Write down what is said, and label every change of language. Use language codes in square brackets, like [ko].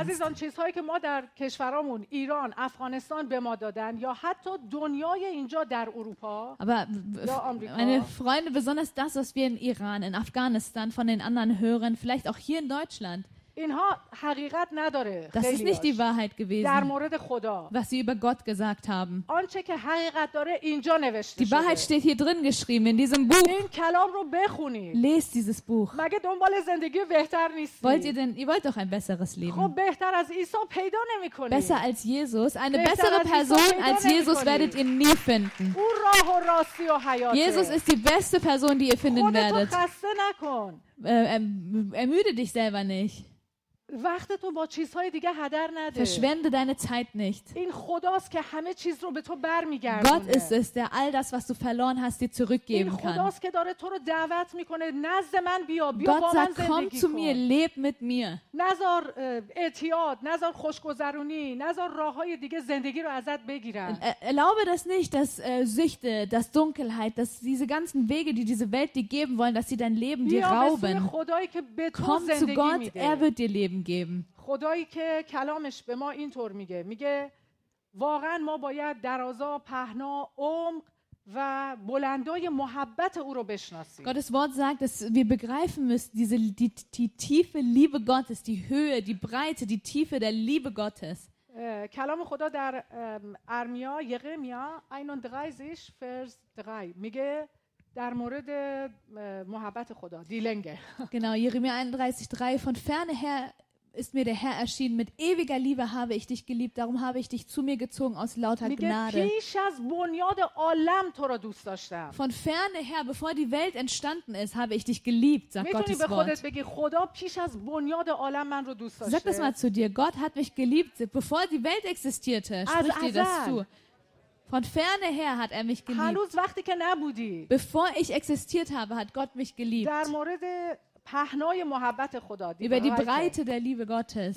[de] Also sonst ist heute Mutter [fa] کشورامون ایران افغانستان به ما دادن یا حتی دنیای اینجا در اروپا [de] meine Freunde besonders das was wir in Iran in Afghanistan von den anderen hören vielleicht auch hier in Deutschland [fa] اینها حقیقت نداره [de] das ist nicht die Wahrheit gewesen [fa] در مورد خدا [de] was sie über Gott gesagt haben [fa] آنچه که حقیقت داره اینجا نوشته شده [de] die Wahrheit steht hier drin geschrieben in diesem Buch [fa] این کلام رو بخونید [de] lest dieses Buch [fa] مگه دنبال زندگی بهتر نیستی [de] wollt ihr doch ein besseres Leben [fa] خب بهتر از عیسی پیدا نمی‌کنید [de] besser als Jesus eine bessere Person als Jesus werdet ihr nie finden [fa] او راه و راستی و حیات [de] Jesus ist die beste Person die ihr finden werdet [fa] خودتو خسته نکن [de] ermüde dich selber nicht [fa] وقت تو با چیزهای دیگه هدر نده. [de] Verschwende deine Zeit nicht. [fa] این خداست که همه چیز رو به تو برمیگردونه. [de] Gott ist es, der all das, was du verloren hast, dir zurückgeben kann. [fa] این خداست که داره تو رو دعوت میکنه نزد من بیا [de] Gott [fa] با من [de] sagt, [fa] زندگی کن. [de] Komm zu mir, leb mit mir. [fa] نزار اعتیاد، نزار خوشگذرونی، نزار راههای دیگه زندگی رو ازت بگیرن. [de] Erlaube das nicht, dass Süchte, dass Dunkelheit, dass diese ganzen Wege, die diese Welt dir geben wollen, dass sie dein Leben dir rauben. Komm zu Gott, er wird dir leben. geben. [fa] خدایی که کلامش به ما اینطور میگه میگه واقعا ما باید درازا پهنا عمق و بلندای محبت او رو بشناسیم. [de] Gottes Wort sagt, dass wir begreifen müssen diese die tiefe Liebe Gottes, die Höhe, die Breite, die Tiefe der Liebe Gottes. [fa] کلام خدا در ارمیا یرمیا 31 vers 3 میگه در مورد محبت خدا دی لنگه [de] genau Jeremia 31:3 von ferne her ist mir der Herr erschienen mit ewiger Liebe habe ich dich geliebt darum habe ich dich zu mir gezogen aus lauter Gnade [fa] پیش از بنیاد عالم تو را دوست داشتم [de] von ferne her bevor die Welt entstanden ist habe ich dich geliebt sagt Gottes Wort [fa] میتونی به خودت بگی خدا پیش از بنیاد عالم من رو دوست داشت [de] sag das mal zu dir Gott hat mich geliebt bevor die Welt existierte sprich dir das zu Von ferne her hat er mich geliebt. Bevor ich existiert habe, hat Gott mich geliebt. [fa] در مورد پهنای محبت خدا. [de] Über die Breite der Liebe Gottes.